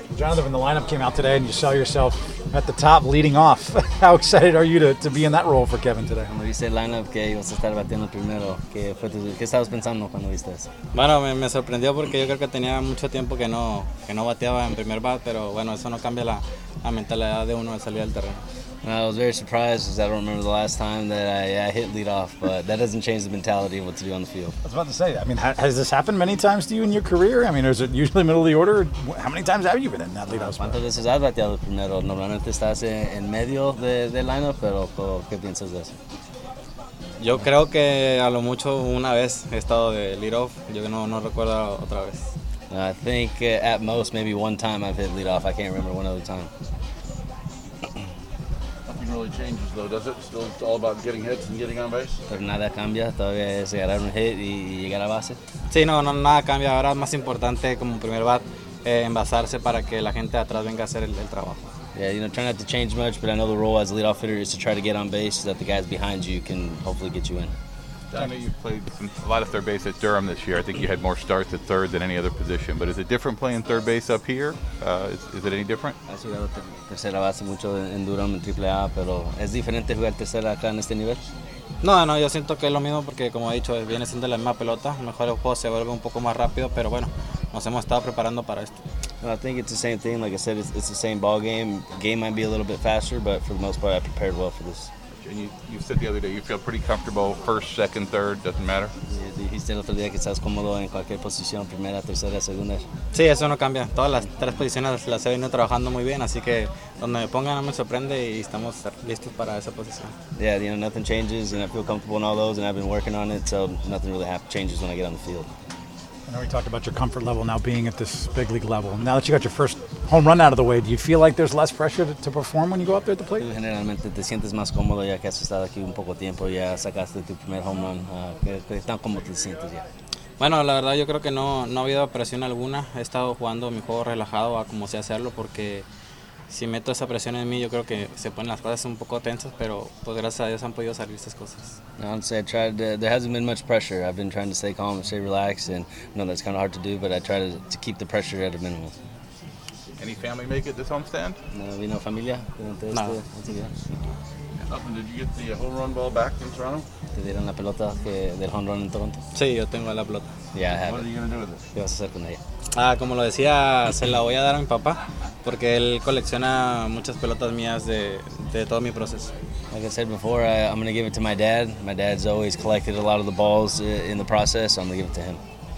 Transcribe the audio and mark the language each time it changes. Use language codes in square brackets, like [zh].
[en] Jonathan, when the lineup came out today and you saw yourself at the top leading off, how excited are you to be in that role for Kevin today? [es] Cuando viste el lineup que ibas a estar batiendo primero, ¿qué estabas pensando cuando viste eso? Bueno, me sorprendió porque yo creo que tenía mucho tiempo que no bateaba en primer bat, pero bueno, eso no cambia la mentalidad de uno de salir del terreno. [en] And I was very surprised because I don't remember the last time that I hit leadoff, but that doesn't change the mentality of what to do on the field. I was about to say, I mean, has this happened many times to you in your career? I mean, is it usually middle of the order? How many times have you been in that leadoff spot? [es] ¿Cuántas veces has bateado primero? Normalmente estás en medio de lineup, pero ¿qué piensas de eso? Yo creo que a lo mucho una vez he estado de leadoff. Yo no recuerdo otra vez. [en] I think at most maybe one time I've hit leadoff. I can't remember one other time. Really changes though, does it? Still, it's all about getting hits and getting on base. [es] Pero nada cambia, todavía es agarrar un hit y llegar a base. Sí, no, nada cambia. Ahora es más importante como primer bat envasarse para que la gente atrás venga a hacer el trabajo. [en] Yeah, you know, try not to change much, but I know the role as a leadoff hitter is to try to get on base so that the guys behind you can hopefully get you in. I know you've played a lot of third base at Durham this year. I think you had more starts at third than any other position. But is it different playing third base up here? Is it any different? [es] Has jugado tercera base mucho en Durham en Triple A, pero es diferente jugar tercera acá en este nivel. No, yo siento que es lo mismo porque como he dicho viene siendo la misma pelota. Mejor el juego se vuelve un poco más rápido, pero bueno, nos hemos estado preparando para esto. [en] I think it's the same thing. Like I said, it's the same ball game. Game might be a little bit faster, but for the most part, I prepared well for this. And you said the other day you feel pretty comfortable first, second, third, doesn't matter. [es] Dijiste el otro día que estás cómodo en cualquier posición, primera, tercera, segunda. Sí, eso no cambia. Todas las tres posiciones las he venido trabajando muy bien, así que donde me pongan no me sorprende y estamos listos para esa posición. [en] Yeah, you know, nothing changes and I feel comfortable in all those and I've been working on it, so nothing really changes when I get on the field. And we talked about your comfort level now being at this big league level. Now that you got your first home run out of the way, do you feel like there's less pressure to perform when you go up there to play? [es] Generalmente te sientes más cómodo ya que has estado aquí un poco tiempo, ya sacaste tu primer home run. ¿Qué tan cómodo te sientes ya? Bueno, la verdad yo creo que no ha habido presión alguna. He estado jugando mi juego relajado a como sea hacerlo porque si meto esa presión en mí, yo creo que se ponen las cosas un poco tensas, pero pues gracias a Dios han podido salir estas cosas. [en] No, honestly, there hasn't been much pressure. I've been trying to stay calm and stay relaxed, and you know that's kind of hard to do, but I try to keep the pressure at a minimum. Any family make it this homestand? [es] No, vino familia. [en] Did you get the home run ball back in Toronto? [es] ¿Te dieron la pelota del home run en Toronto? Sí, yo tengo la pelota. [en] Yeah, what are you going to do with it? [es] ¿Qué vas a hacer con ella? Ah, como lo decía, se la voy a dar a mi papá porque él colecciona muchas pelotas mías de todo mi proceso. [en] Like I said before, I'm going to give it to my dad. My dad's always collected a lot of the balls in the process, so I'm going to give it to him.